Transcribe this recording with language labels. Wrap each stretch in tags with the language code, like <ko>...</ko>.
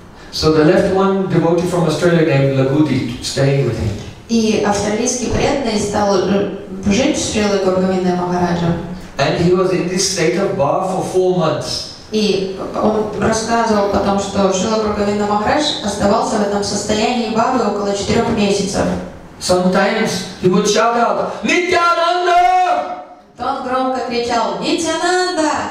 <en>So they left one devotee from Australia named Labudi staying with him.</en> <ru>И австралийский преданный стал жить в Шриле Гургавинде Махараджа.</ru> <en>And he was in this state of bhava for 4 months.</en> <ru>И он рассказывал потом, что Шрила Гургавинда Махарадж оставался в этом состоянии бхавы около 4 месяцев.</ru> <en>Sometimes he would shout out, Nityananda!</en> <ru>Тот громко кричал, Нитянанда!</ru>